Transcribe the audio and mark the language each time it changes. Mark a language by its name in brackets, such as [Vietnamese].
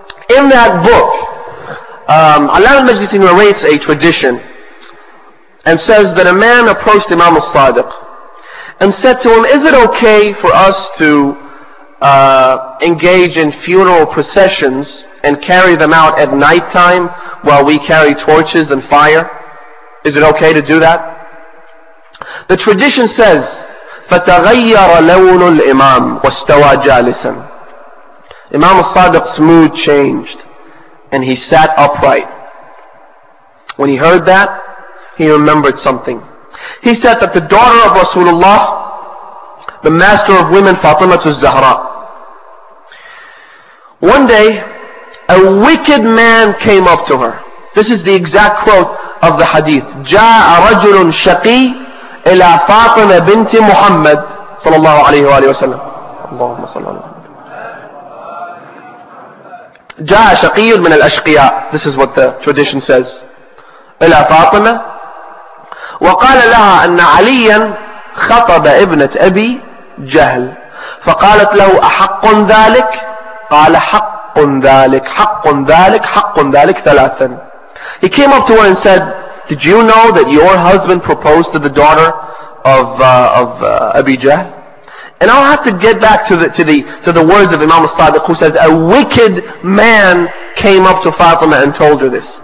[English] In that book, Allama al-Majlisi narrates a tradition and says that a man approached Imam al-Sadiq and said to him, "Is it okay for us to engage in funeral processions and carry them out at nighttime while we carry torches and fire? Is it okay to do that?" The tradition says, [Arabic] فَتَغَيَّرَ لَوْنُ الْإِمَامِ وَاسْتَوَى جَالِسًا. [English] Imam al-Sadiq's mood changed, and he sat upright. When he heard that, he remembered something. He said that the daughter of Rasulullah, the master of women, Fatima al-Zahra, one day, a wicked man came up to her. This is the exact quote of the hadith. [Arabic] جَاءَ رَجُلٌ شَقِيٌّ إلى فاطمة بنت محمد صلى الله عليه وآله وسلم. اللهم صل على محمد. جاء شقي من الأشقياء. [English] This is what the tradition says. [Arabic] إلى فاطمة وقال لها أن عليا خطب ابنة أبي جهل. فقالت له أحق ذلك؟ قال حق ذلك. حق ذلك. حق ذلك ثلاثا. [English] He came up to her and said, "Did you know that your husband proposed to the daughter of Abi Jahl?" And I'll have to get back to the words of Imam al-Sadiq, who says a wicked man came up to Fatima and told her this.